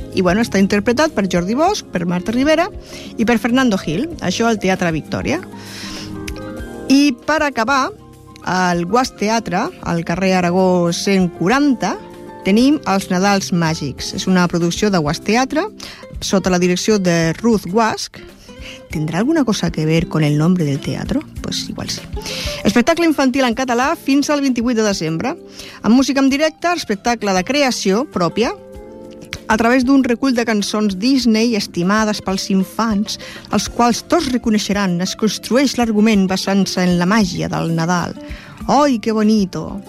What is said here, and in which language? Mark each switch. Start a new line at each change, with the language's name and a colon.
Catalan: I bueno, està interpretat per Jordi Bosch, per Marta Rivera i per Fernando Gil, això al Teatre Victòria. I per acabar, al Guas Teatre, al carrer Aragó 140, tenim Els Nadals Màgics. És una producció de Guas Teatre, sota la direcció de Ruth Wask. Tindrà alguna cosa que
Spanish: ver con el nombre del teatro? Pues igual sí.
Catalan: Espectacle infantil en català fins al 28 de desembre, amb música en directe, espectacle de creació pròpia, a través d'un recull de cançons Disney estimades pels infants, els quals tots reconeixeran. Es construeix l'argument basant-se en la màgia del Nadal. Oi,
Spanish: que bonito!